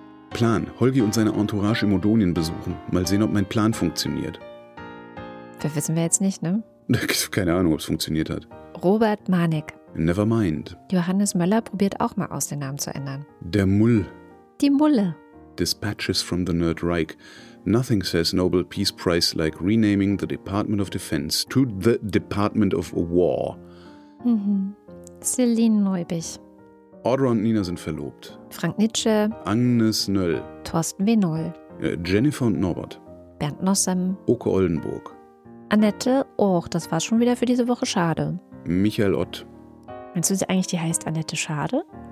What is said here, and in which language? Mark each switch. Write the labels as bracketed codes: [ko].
[de] Plan. Holgi und seine Entourage im Odonien besuchen. Mal sehen, ob mein Plan funktioniert. Das wissen wir jetzt nicht, ne? Keine Ahnung, ob es funktioniert hat. Robert Manek. [en] Nevermind. [de] Johannes Möller probiert auch mal aus, den Namen zu ändern. Der Mull. Die Mulle. [en] Dispatches from the Nerd Reich. Nothing says Nobel Peace Prize like renaming the Department of Defense to the Department of War. [de] Celine Neubich. Audra und Nina sind verlobt. Frank Nitsche. Agnes Nöll. Thorsten W. Noll. Jennifer und Norbert. Bernd Nossem. Oke Oldenburg. Annette, das war schon wieder für diese Woche schade. Michael Ott. Meinst du sie eigentlich, die heißt Annette Schade?